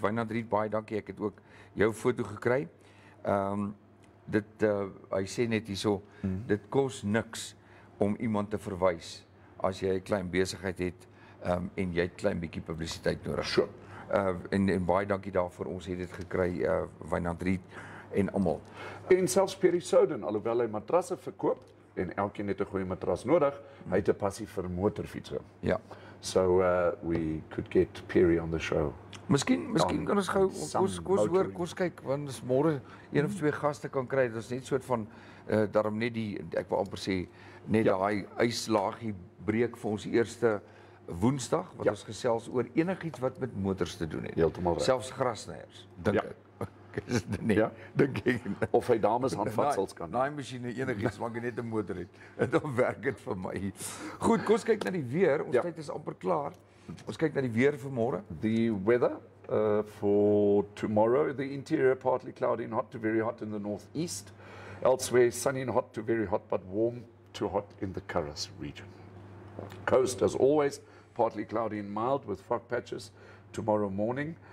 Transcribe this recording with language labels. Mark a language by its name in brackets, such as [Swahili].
[Afrikaans] Wynand Riek, baie dankie, ek het ook jou foto gekry. Hy sê net hierso, dit kos niks om iemand te verwys as jy 'n klein besigheid het en jy het klein bietjie publisiteit nodig. [English] Sure. [Afrikaans] En baie dankie daarvoor, ons het dit gekry, Wynand Riet en almal. En selfs Perry Soden, alhoewel hy matrasse verkoop, en elkeen het 'n goeie matras nodig, hy het 'n passie vir motorfietse. Ja. [English] So we could get Perry on the show. [Afrikaans] Miskien kan ons gou kos hoor, kos kyk, want ons môre een of twee gaste kan kry, dit is net soort van, daarom net die, ek wil amper sê, net daai yslaagie breek vir ons eerste Woensdag wat ons gesels oor enigiets wat met motors te doen het. Heeltemal reg. Selfs grasnyers, dink ek. Is dit nie? Ja, dink ek. Of hy dames handvatsels kan. Daai masjiene enigiets wat net 'n motor het. Dit werk dit vir my. Goed, kom ons kyk na die weer. Ons tyd is amper klaar. Ons kyk na die weer vir môre. [English] The weather for tomorrow, the interior partly cloudy and hot to very hot in the northeast. Elsewhere sunny and hot to very hot but warm to hot in the Karoo region. Coast, as always, partly cloudy and mild with fog patches tomorrow morning.